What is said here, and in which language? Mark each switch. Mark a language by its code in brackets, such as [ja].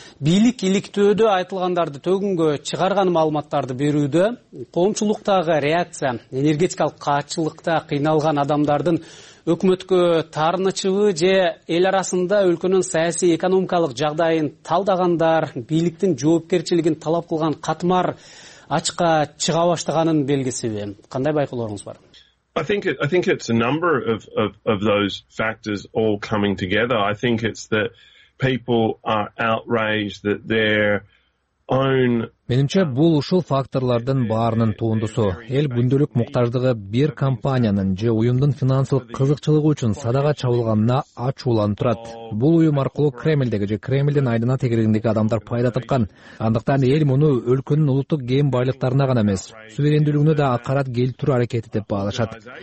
[ky] Бийлик иликтөөдө айтылгандарды төгүнгө чыгарган маалыматтарды берүүдө коомчулуктагы реакция, энергетикалык каачылыкта кыйналган адамдардын өкмөткө таарынычыбы же эл арасында өлкөнүн саясий экономикалык жагдайын талдагандар бийликтин жоопкерчилигин талап кылган катмар ачыкка чыга баштаганын белгисиби? Кандай байкоолоруңуз бар? [en] I think it's a number of those factors all coming together. I think it's that people are outraged that they're [ky] Менимче, бул ушул факторлордун баарынын туундусу. Эл күндөлүк муктаждыгы бир компаниянын же уюмдун финансылык кызыкчылыгы үчүн садага чабылганына ачууланып турат. Бул уюм аркылуу Кремлдеги же Кремлдин айдына тегерегиндеги адамдар пайда тапкан. Андыктан эл муну өлкөнүн улуттук кем байлыктарына гана эмес, суверендүүлүгүнө да акарат келтирүү аракети деп баалашат.